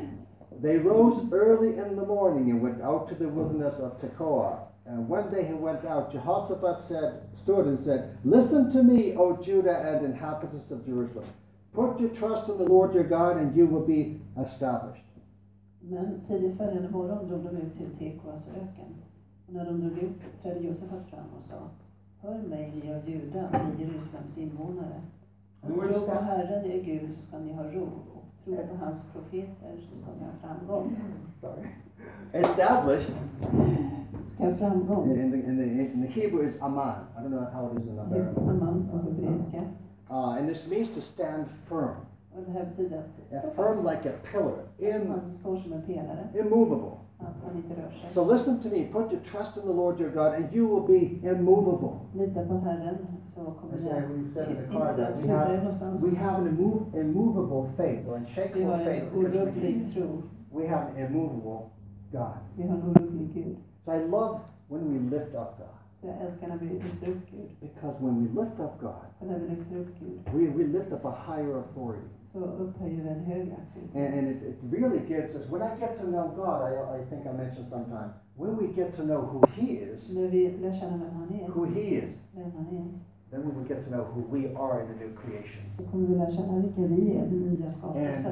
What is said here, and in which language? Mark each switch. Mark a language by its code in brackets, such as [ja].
[en] So they rose early in the morning and went out to the wilderness of Tekoa. And when they went out, Jehoshaphat stood and said, "Listen to me, O Judah and inhabitants of Jerusalem. Put your trust in the Lord your God and you will be established." [sv] Men tidigt följande morgon drog de ut till Tekoas öken. Och när de drog ut trädde Josef fram och sa: "Hör mig, ni av Juda, ni Jerusalems invånare. Tro på Herren, er Gud, så ska ni ha ro. Och tro på hans profeter, så ska ni ha framgång." [en] Sorry. Established. [sv] Ska ha framgång. [en] In the Hebrew is aman. I don't know how it is in other. [sv] Aman på hebreiska. [en] And this means to stand firm. [sv] Och det här betyder att stå fast. [en] Firm like a pillar. [sv] Man står som en pelare. [en] Immovable. [sv] Att man inte rör sig. [en] So listen to me, put your trust in the Lord your God and you will be immovable. [sv] Lita på Herren så kommer jag. [en] We have an immovable faith or unshakable faith. [sv] Vi har en orubblig tro. [en] We have an immovable God. [sv] Vi har en orubblig Gud. [en] So I love when we lift up God. [sv] Jag älskar när vi lyfter upp Gud. [en] Because when we lift up God, [sv] när vi lyfter upp Gud, [en] we lift up a higher authority. [sv] Så upphöjer vi en högre auktoritet. [en] And it really gets us, when I get to know God, I think I mentioned sometime, when we get to know who he is, [sv] när vi lär känna vem han är, [en] who he is, [sv] vem han är, [en] then we will get to know who we are in the new creation. [sv] Så kommer vi lära känna vilka vi är i den nya skapelsen.